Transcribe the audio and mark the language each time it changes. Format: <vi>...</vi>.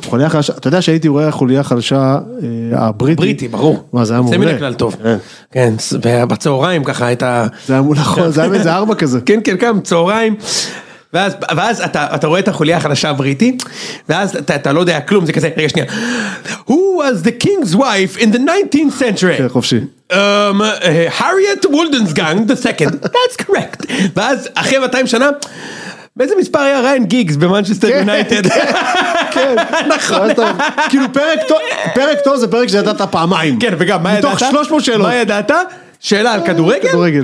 <he>חוליה חלשה, אתה יודע שהייתי רואה החוליה החלשה הבריטי. בריטי, ברור. מה, זה היה מעולה. זה מן הכלל טוב. כן, ובצהריים ככה הייתה... זה היה מעולה, זה היה איזה ארבע כזה. כן, כן, כן, צהריים. ואז אתה רואה את החוליה החלשה הבריטי, ואז אתה לא יודע כלום, זה כזה, רגע שנייה.</he> <en>Who was the king's wife in the 19th century?</en> <he>כן, חופשי.</he> <en>Harriet Wildensgang, the second. That's correct.</en> <he>ואז אחרי 200 שנה, באיזה מספר היה ריין גיגס במנצ'סטר יונייטד? כן, נכון. כאילו פרק טוב זה פרק שידעת פעמיים. כן, וגם מה ידעת? מתוך 300 שאלות. מה ידעת? שאלה על כדורגל?</he>